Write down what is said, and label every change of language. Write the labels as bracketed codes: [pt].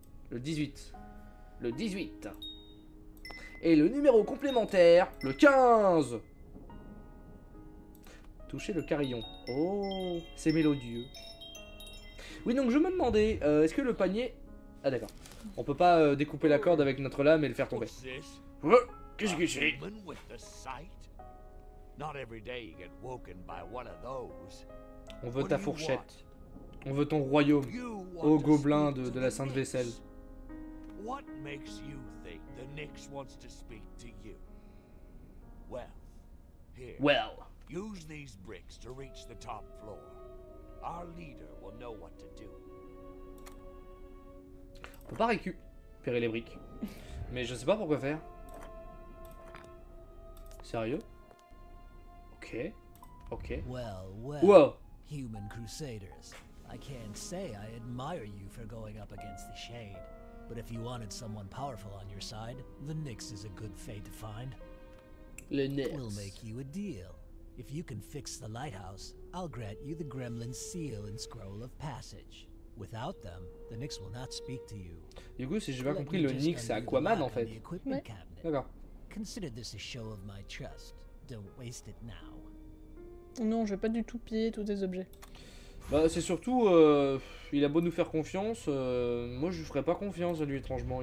[fr] Le 18. Le 18. Et le numéro complémentaire, le 15. Toucher le carillon. Oh, c'est mélodieux. Oui, donc je me demandais, est-ce que le panier... Ah d'accord. On peut pas découper la corde avec notre lame et le faire tomber. Qu'est-ce que c'est ? [en] Human with the sight? Not every day you get woken by one of those. [fr] On veut ta fourchette. On veut ton royaume. Oh, gobelin de la sainte vaisselle. [en] What makes you think the Nyx wants to speak to you? Well, here. Well. Use these bricks to reach the top floor. Our leader will know what to do. [fr] On peut pas récupérer les briques. Mais je sais pas pourquoi faire. Sérieux? Ok. Ok. [en] Wow. Human Crusaders. I can't say I admire you for going up against the Shade. But if you wanted someone powerful on your side, the Nyx is a good fate to find. [fr] Le Nyx. [en] We'll make you a deal. If you can fix the lighthouse, I'll grant you the Gremlin Seal and Scroll of Passage. Without them, the Nyx will not speak to you. [fr] Du coup, si j'ai bien compris, le Nyx, c'est Aquaman, en fait. Ouais. D'accord. [en] Consider this a show of my trust. Don't waste it now. [fr] Non, je vais pas du tout piller tous tes objets. Bah, c'est surtout, il a beau nous faire confiance, moi je lui ferais pas confiance à lui, étrangement.